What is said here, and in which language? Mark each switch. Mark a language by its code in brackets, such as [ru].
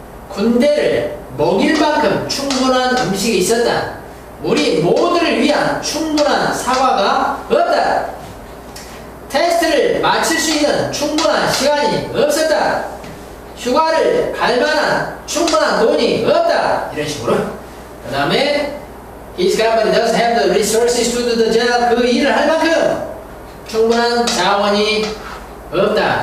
[ko] 군대를 먹일 만큼 충분한 음식이 있었다. 우리 모두를 위한 충분한 사과가 없다. 테스트를 마칠 수 있는 충분한 시간이 없었다. 휴가를 갈 만한 충분한 돈이 없다. 이런 식으로. 그 다음에 [en] His company doesn't have the resources to do the job. [ko] 그 일을 할 만큼 충분한 자원이 없다.